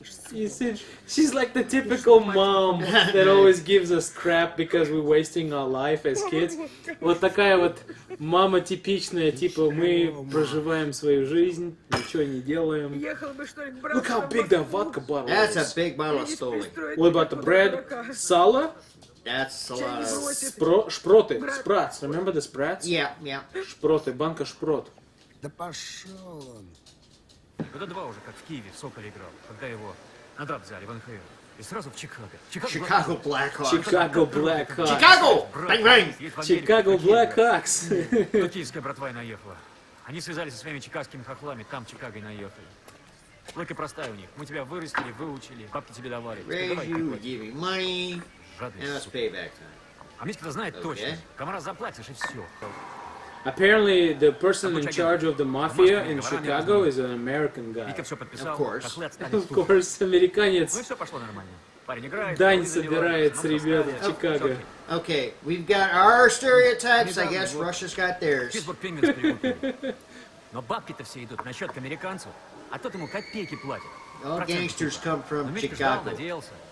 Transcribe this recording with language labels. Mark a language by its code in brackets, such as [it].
[en] You see, she's like the typical mom that always gives us crap because we're wasting our life as kids. [ru] Вот такая вот мама типичная, типа мы проживаем свою жизнь, ничего не делаем. [en] Look how big that vodka bottle is. That's a big bottle of Stoli. What about the bread? Сало? That's a lot of... Шпроты, спратс. Remember the спратс? Yeah. [ru] Шпроты, банка шпрот. Да пошел он. Года два уже, как в Киеве, в Соколе играл, когда его на драфт взяли в НХЛ. И сразу в Чикаго. Чикаго Блэкхокс. Чикаго Блэкхокс. Чикаго! Бэнг-бэнг! Чикаго Блэкхокс. Тут киевская братва и наехала. Они связались со своими чикагскими хохлами, там Чикаго и наехали. Лыка простая у них. Мы тебя вырастили, выучили, бабки тебе давали. [en] Raise you, give me money, and it's payback time. [ru] А Митька-то знает точно. Комара заплатишь и все. [en] Apparently, the person in charge of the mafia in Chicago is an American guy. Of course, [ru] Американец. Дань собирает с ребят в Чикаго. [en] Okay, we've got our stereotypes. I guess Russia's got theirs. [ru] Но бабки-то все идут на счет к американцу, а тот ему копейки платит. [en] All gangsters come from Chicago.